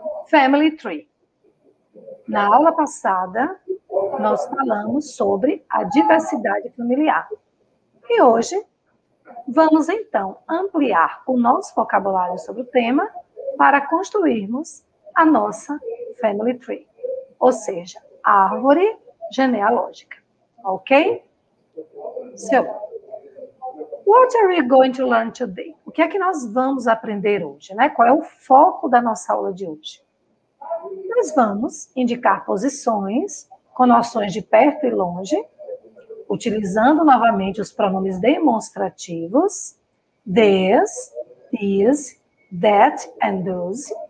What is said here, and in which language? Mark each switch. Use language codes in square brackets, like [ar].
[pt] Family Tree. Na aula passada, nós falamos sobre a diversidade familiar. E hoje, vamos então ampliar o nosso vocabulário sobre o tema para construirmos a nossa family tree, ou seja, a árvore genealógica. Ok? [en] So, what are we going to learn today? [pt] O que é que nós vamos aprender hoje, né? Qual é o foco da nossa aula de hoje? Nós vamos indicar posições com noções de perto e longe, utilizando novamente os pronomes demonstrativos, this, these, that and those.